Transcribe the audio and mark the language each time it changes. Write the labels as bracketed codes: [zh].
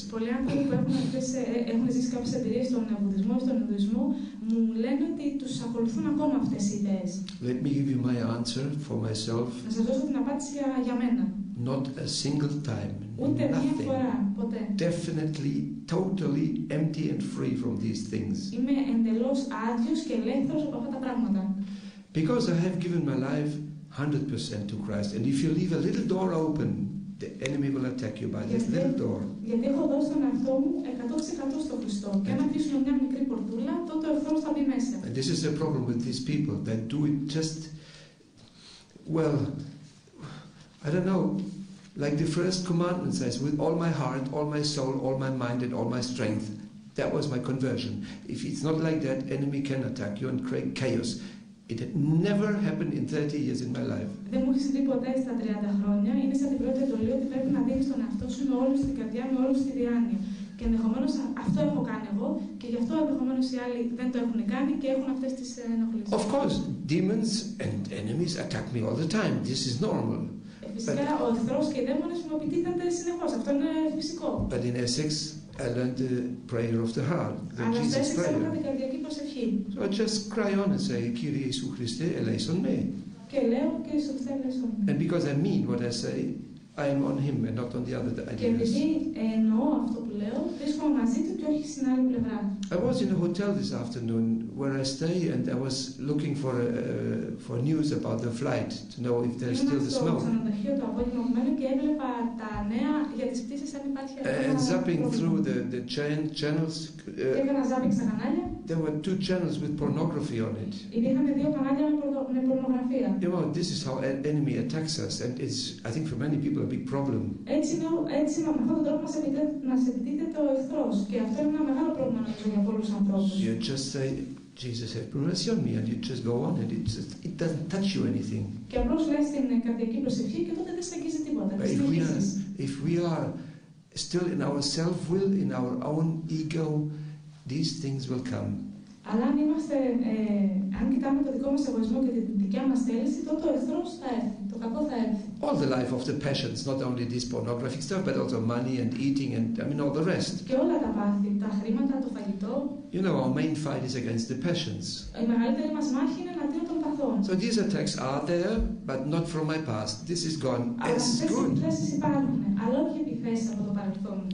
[el] Πολλοί άνθρωποι που έχουν ζήσει κάποιες εμπειρίες στον Βουδισμό ή στον Ινδουισμό μου λένε ότι τους ακολουθούν ακόμα αυτές οι ιδέες. [en] Let me give you my answer for myself. [el] Να σας δώσω την απάντηση για μένα. [en] Not a single time. [el] Ούτε μία φορά, ποτέ. [en] Definitely, totally empty and free from these things. [el] Είμαι εντελώς άδειος και ελεύθερος από αυτά τα πράγματα. [en] Because I have given my life 100% to Christ, and if you leave a little door open, the enemy will attack you by this little door. [el] Γιατί έχω δώσει τον εαυτό μου 100% στο Χριστό, και αν αφήσω μια μικρή πορτούλα, τότε ο εχθρός θα μπει μέσα. [en] And this is the problem with these people. They do it just, well. I don't know, like the first commandment says, with all my heart, all my soul, all my mind and all my strength. That was my conversion. If it's not like that, enemy can attack you and create chaos. It had never happened in 30 years in my life. [el] Δεν μου έχεις δει ποτέ στα 30 χρόνια. Είναι σαν την πρώτη εντολή ότι πρέπει να δίνεις τον εαυτό σου με όλους στην καρδιά, με όλους στη διάνοια. Και ενδεχομένως αυτό έχω κάνει εγώ και γι' αυτό ενδεχομένως οι άλλοι δεν το έχουν κάνει και έχουν αυτές τις ενοχλήσεις. [en] Of course, demons and enemies attack me all the time. This is normal. [el] Φυσικά ο εχθρός και οι δαίμονες μου επιτίθενται συνεχώς. Αυτό είναι φυσικό. [en] But in Essex, I learned the prayer of the heart, the Jesus [el] Αλλά στο Essex έμαθα την καρδιακή προσευχή. [en] So I just cry on and say, [el] Κύριε Ιησού Χριστέ, ελέησον με. Και λέω, Κύριε Ιησού Χριστέ, ελέησον με. [en] And because I mean what I say, I am on him and not on the other ideas. [el] Και επειδή εννοώ αυτό που λέω, βρίσκομαι μαζί του και όχι στην άλλη πλευρά. [en] I was in a hotel this afternoon where I stay and I was looking for news about the flight to know if there's still the smell. [el] Ήμουν στο ξενοδοχείο το απόγευμα μένω και έβλεπα τα νέα για τις πτήσεις αν υπάρχει ακόμα. [en] And zapping through the channels. [el] Έκανα zapping στα κανάλια. [en] There were two channels with pornography on it. [el] Υπήρχαν δύο κανάλια με πορνογραφία. [en] You know, this is how an enemy attacks us and it's, I think for many people, a big problem. [el] Έτσι με αυτόν τον τρόπο μας επιτίθεται ο εχθρός και αυτό είναι ένα μεγάλο πρόβλημα. [en] You just say, Jesus have mercy on me, and you just go on, and it doesn't touch you anything. [el] Και απλώς λες την καρδιακή προσευχή και τότε δεν σε αγγίζει τίποτα. [en] If we are still in our self-will, in our own ego, these things will come. [el] Αλλά αν είμαστε, αν κοιτάμε το δικό μας εγωισμό και την δικιά μας θέληση, τότε ο εχθρός θα έρθει, το κακό θα έρθει. [en] All the life of the passions, not only this pornographic stuff, but also money and eating and, I mean, all the rest. [el] Και όλα τα πάθη, τα χρήματα, το φαγητό. [en] You know, our main fight is against the passions. [el] Η μεγαλύτερη μας μάχη είναι εναντίον των παθών. [en] So these attacks are there, but not from my past. This is gone. As good. [el] Αλλά αυτές οι επιθέσεις υπάρχουν, αλλά όχι επιθέσεις από το παρελθόν.